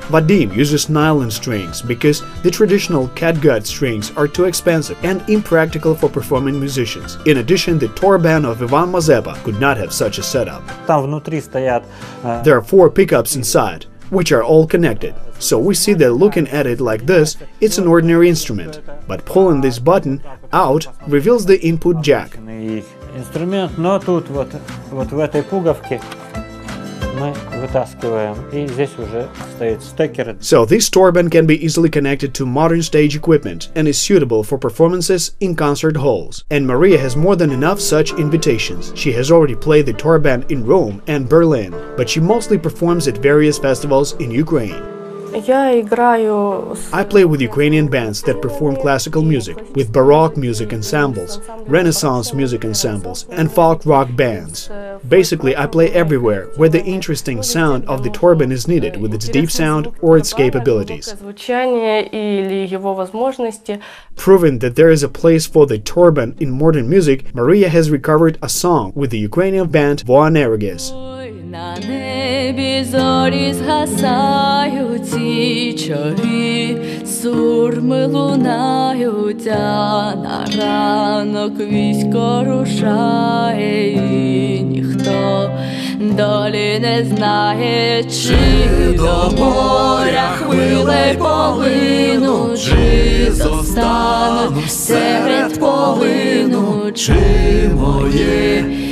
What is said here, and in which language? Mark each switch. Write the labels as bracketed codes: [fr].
[en] Vadym uses nylon strings because the traditional catgut strings are too expensive and impractical for performing musicians. In addition, the Torban of Ivan Mazepa could not have such a setup. There are 4 pickups inside, which are all connected. So we see that looking at it like this, it's an ordinary instrument. But pulling this button out reveals the input jack. [ru] Инструмент, но тут вот в этой пуговке мы вытаскиваем, и здесь уже стоит стекер. [en] So this Torban can be easily connected to modern stage equipment and is suitable for performances in concert halls. And Maria has more than enough such invitations. She has already played the Torban in Rome and Berlin, but she mostly performs at various festivals in Ukraine. I play with Ukrainian bands that perform classical music, with baroque music ensembles, Renaissance music ensembles, and folk rock bands. Basically, I play everywhere where the interesting sound of the Torban is needed, with its deep sound or its capabilities. Proving that there is a place for the Torban in modern music, Maria has recovered a song with the Ukrainian band Voanergis. [uk] На небі зорі згасають і чорі, сурми лунають, а на ранок військо рушає, і ніхто долі не знає, чи до моря хвили полину, чи зостануть серед полину, чи моє.